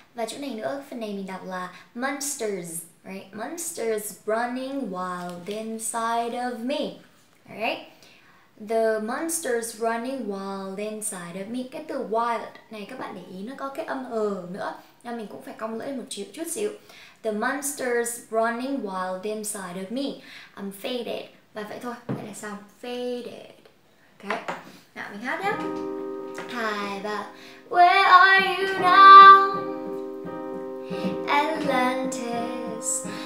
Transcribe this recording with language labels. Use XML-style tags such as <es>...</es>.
<vi>Và chỗ này nữa, phần này mình đọc là monsters, right?</vi> <en>Monsters running wild inside of me. Alright. The monsters running wild inside of me.</en> <vi>Cái từ wild này các bạn để ý nó có cái âm ờ nữa. Nên mình cũng phải cong lưỡi một chút xíu.</vi> <en>The monsters running wild inside of me. I'm faded.</en> <vi>Và vậy thôi, vậy là xong. Faded. Ok. Nào mình hát nhé. 2, 3.</vi> <en>Where are you now? Atlantis.</en>